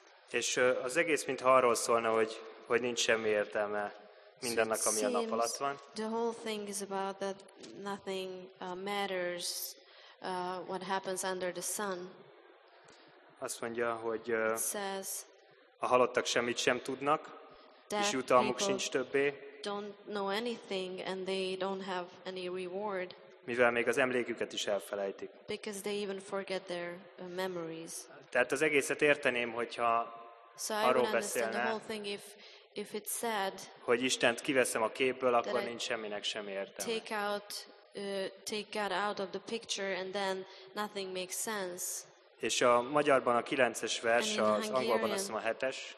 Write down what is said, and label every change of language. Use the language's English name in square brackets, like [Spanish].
[Hungarian] És az egész mintha arról szólna, hogy nincs semmi értelme mindennek, ami a nap alatt van. [English] The whole thing is about that nothing matters what happens under the sun. [Hungarian] Azt mondja, hogy [English] says, [Hungarian] a halottak semmit sem tudnak. és jutalmuk sincs többé. [English] Don't know anything and they don't have any reward. [Hungarian] Mivel még az emléküket is elfelejtik. [English] Because they even forget their memories. [Hungarian] Tehát az egészet érteném, hogyha arról beszélne, [English] if it said, [Hungarian] hogy Istent kiveszem a képből, akkor nincs semminek sem értelme. [English] Take God out of the picture and then nothing makes sense. [Hungarian] És a magyarban a 9-es vers, az angolban azt a 7-es.